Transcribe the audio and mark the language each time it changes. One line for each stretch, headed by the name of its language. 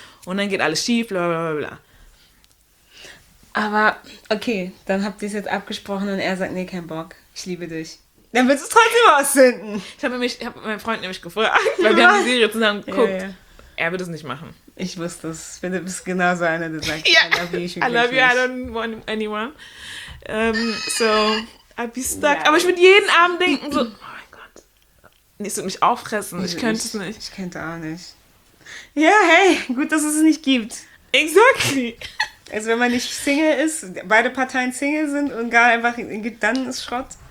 German: Und dann geht alles schief, bla bla bla. Aber okay, dann habt ihr es jetzt abgesprochen und er sagt, nee, kein Bock, ich liebe dich. Dann willst du es trotzdem rausfinden. Ich hab meinen Freund nämlich gefragt, weil wir haben die Serie zusammen geguckt. Ja, ja. Er wird es nicht machen. Ich wusste es. Philipp ist genauso einer, der sagt,
English: I love you, I don't want anyone. So, I'll be stuck.
German: Ja. Aber ich würde jeden Abend denken, so, oh mein Gott. Nee, es wird mich auffressen, ich könnte es nicht. Ich könnte auch nicht. Ja, hey, gut, dass es nicht gibt.
English: Exactly.
German: Also wenn man nicht Single ist, beide Parteien Single sind und gar einfach, dann ist Schrott.